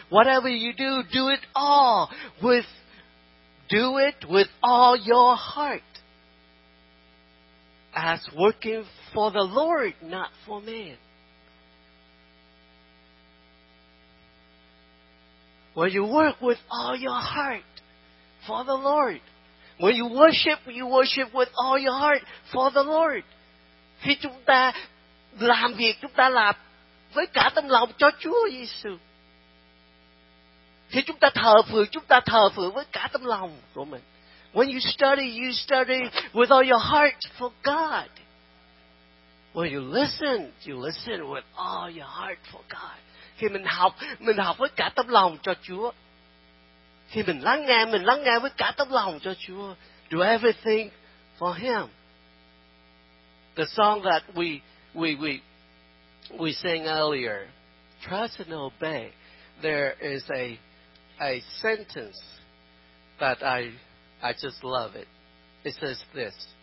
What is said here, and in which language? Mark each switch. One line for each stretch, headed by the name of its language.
English: Whatever you do, do it all with Do it with all your heart, as working for the Lord, not for man. When you work with all your heart for the Lord, when you worship with all your heart for the Lord.
Vietnamese: Khi chúng ta làm việc, chúng ta làm với cả tâm lòng cho Chúa Giêsu. Thì chúng ta thờ phượng với cả tâm lòng của mình.
English: When you study with all your heart for God. When you listen with all your heart for God.
Vietnamese: Khi mình học với cả tâm lòng cho Chúa. Khi mình lắng nghe với cả tâm lòng cho Chúa.
English: Do everything for Him. The song that we sang earlier, trust and obey. There is a sentence that I just love it. It says this.